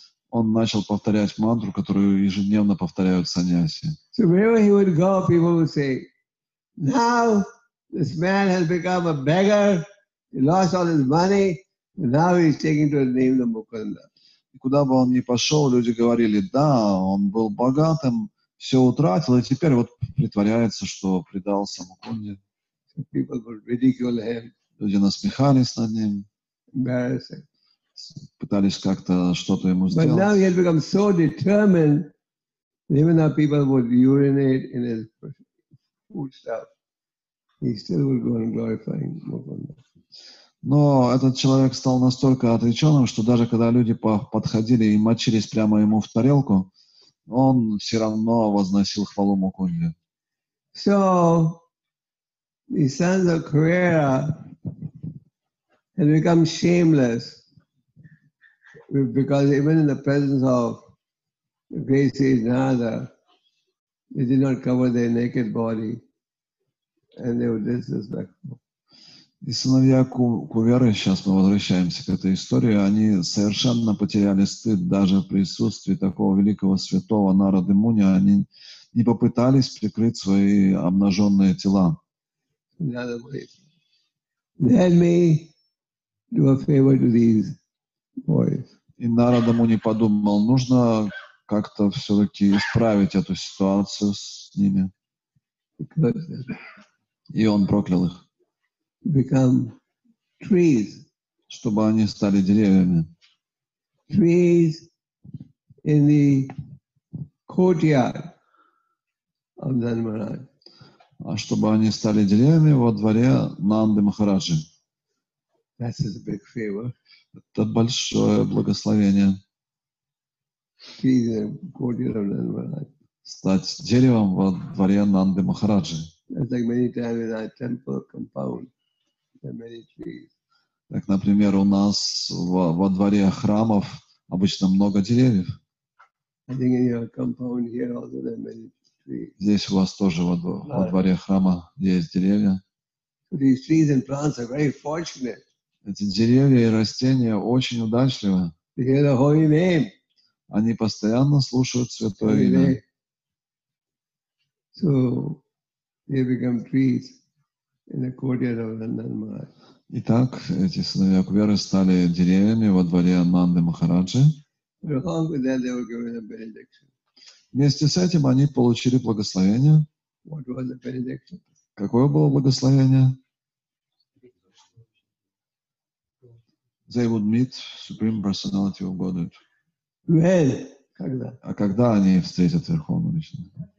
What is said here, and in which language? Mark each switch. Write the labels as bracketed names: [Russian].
[Russian] Он начал повторять мантру, которую ежедневно повторяют саньяси. [English] So wherever he would go, people would say, now this man has become a beggar. He lost all his money, and now he's taking to his name the Mukunda. [Russian] И куда бы он ни пошел, люди говорили: да, он был богатым, все утратил, и теперь вот притворяется, что предался Мукунде. [English] So people would ridicule him. [Russian] Люди насмехались над ним. [English] Embarrassing. [Russian] Пытались как-то что-то ему сделать. [English] But now he has become so determined, that even though people would urinate in his he still would go and glorify Mukunda. [Russian] Но этот человек стал настолько отреченным, что даже когда люди подходили и мочились прямо ему в тарелку, он все равно возносил хвалу Мукунде. [English] So the sons of Kurera had become shameless because even in the presence of the great sage Narada, they did not cover their naked body. And they were disrespectful. [Russian] И сыновья Куверы, сейчас мы возвращаемся к этой истории, они совершенно потеряли стыд даже в присутствии такого великого святого Нарады Муни. Они не попытались прикрыть свои обнаженные тела. [English] Let me do a favor to these boys. [Russian] И Нарада Муни подумал, нужно как-то все-таки исправить эту ситуацию с ними. И он проклял их. [English] Become trees. [Russian] Чтобы они стали деревьями. [English] Trees in the courtyard of Nanda Maharaj. [Russian] А чтобы они стали деревьями во дворе Нанды Махараджи. [English] That is a big favor. [Russian] Это большое благословение. [English] Trees in the courtyard of Nanda Maharaj. [Russian] Стать деревом во дворе Нанды Махараджи. [English] It's like many times in our temple compound, there are many trees. [Russian] Так, например, у нас во дворе храмов обычно много деревьев. [English] I think in your compound here also there are many trees. [Russian] Здесь у вас тоже во дворе храма есть деревья. [English] So these trees and plants are very fortunate. [Russian] Эти деревья и растения очень удачливы. [English] They hear the holy name. [Russian] Они постоянно слушают святое имя. [English] So they become trees in the courtyard of Nanda Maharaj. [Russian] Итак, эти сыновья Куверы стали деревьями во дворе Нанды Махараджи. [English] Along with that, they were given a benediction. [Russian] Вместе с этим они получили благословение. [English] What was the benediction? [Russian] Какое было благословение? [English] They would meet Supreme Personality of Godhead. When? [Russian] Когда? А когда они встретят Верховную Личность?